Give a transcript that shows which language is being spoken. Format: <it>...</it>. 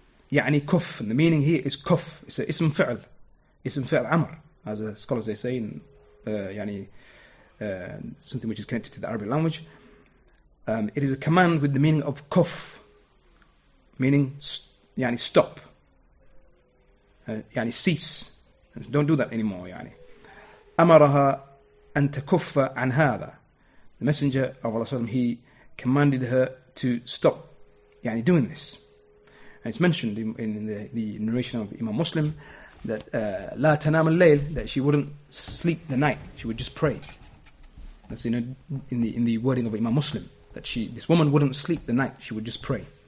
<en>يعني كف, and the meaning here is كف. It's an ism فعل, ism فعل عمر, as the scholars they say, something which is connected to the Arabic language. It is a command with the meaning of كف, meaning يعني stop, يعني cease, don't do that anymore.</en> <ar>يعني أمرها أن تكف عن هذا.</ar> <en>The Messenger of Allah, he commanded her to stop يعني, doing this. And it's mentioned in the narration of Imam Muslim that</en> <ar>لا تنام الليل,</ar> <en>that she wouldn't sleep the night, she would just pray. That's in the wording of Imam Muslim, that she, this woman wouldn't sleep the night, she would just pray.</en>